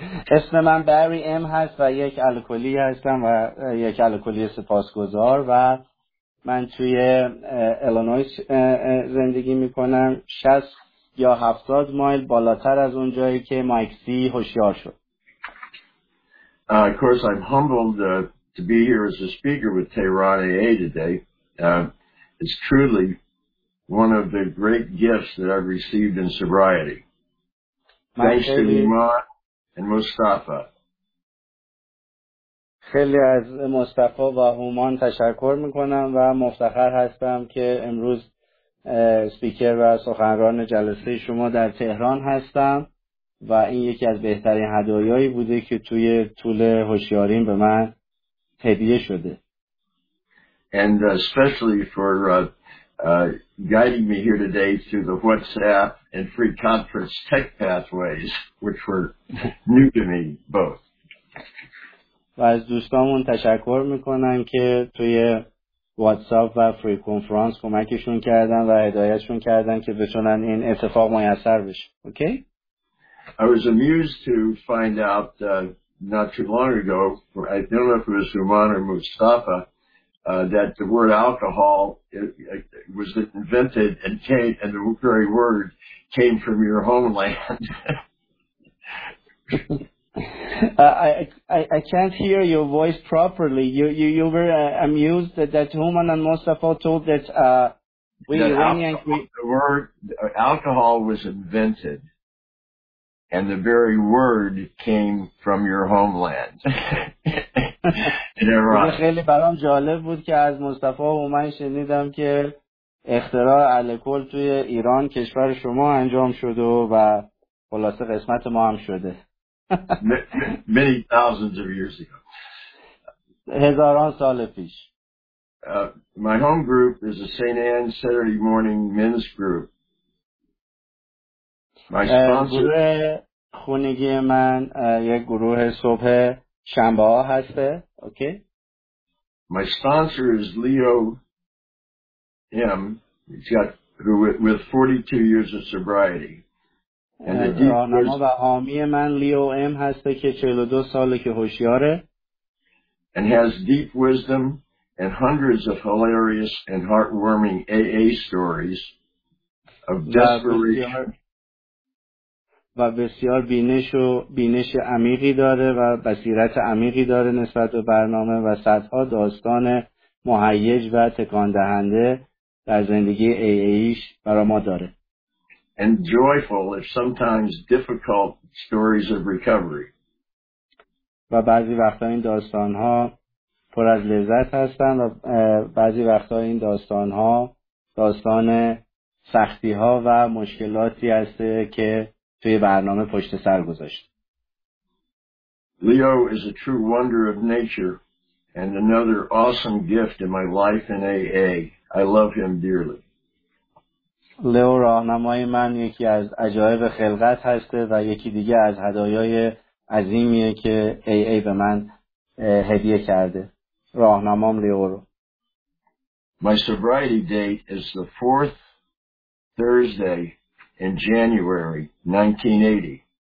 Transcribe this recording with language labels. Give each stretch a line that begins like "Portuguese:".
Persian: اسم من Barry M هست و یک الکلی هستم و یک الکلی سپاسگزار و من توی Illinois زندگی میکنم. 60 یا 70 مایل بالاتر از اون جایی که مایک سی هوشیار شد.
English: Of course, I'm humbled to be here as a speaker with Tehran AA today. It's truly one of the great gifts that I've received in sobriety. Thanks to Iman and Mustafa.
Persian: خیلی از مصطفی و هومان تشکر میکنم و مفتخر هستم که امروز سپیکر و سخنران جلسه شما در تهران هستم و این یکی از بهترین هدایایی بوده که توی طول هوشیاریم به من هدیه شده.
English: And especially for guiding me here today through the WhatsApp and free conference tech pathways, which were new to me both.
Persian: و از دوستامون تشکر میکنم که توی واتساپ و فری کنفرانس کمکشون کردن و هدایتشون کردن که بتونن این اتفاق میسر بشه. اوکی؟
English: I was amused to find out not too long ago, I don't know if it was Uman or Mustafa, that the word alcohol was invented and came, and the very word came from your homeland. I can't hear your voice properly. You were amused that Human and Mustafa told that we that Iranian alcohol was invented, and the very word came from your homeland. It was really
Persian: برام جالب بود که از مصطفی و من شنیدم که اختراع الکل توی ایران کشور شما انجام شده و خلاصه قسمت ما هم شده.
English: Many thousands of years ago.
Persian: هزاران سال پیش.
English: My home group is a St. Anne's Saturday morning men's group. My sponsor.
Persian: خونگی من یک گروه صبح شنبه ها هسته.
English: Okay. My sponsor is Leo M. With 42 years of sobriety.
Persian: راهنما و حامی من لیو ام هسته که 42 ساله که هوشیاره.
English: And has deep wisdom and hundreds of hilarious and heartwarming AA stories of desperation.
Persian: و بسیار بینش عمیقی داره و بصیرت عمیقی داره نسبت به برنامه و صدها داستان مهیج و تکان دهنده در زندگی AAش برای ما داره.
English: And joyful, if sometimes difficult, stories of recovery.
Persian: و بعضی وقتا این داستان ها پر از لذت هستند و بعضی وقتا این داستان ها داستان سختی ها و مشکلاتی هست که توی برنامه پشت سر گذاشت.
English: Leo is a true wonder of nature and another awesome gift in my life in AA. I love him dearly.
Persian: Leo راهنمای من یکی از عجایب خلقت هسته و یکی دیگه از هدایای عظیمیه که AA به من هدیه کرده. راهنمام لیو رو.
English: My sobriety date is the fourth Thursday in January 1980.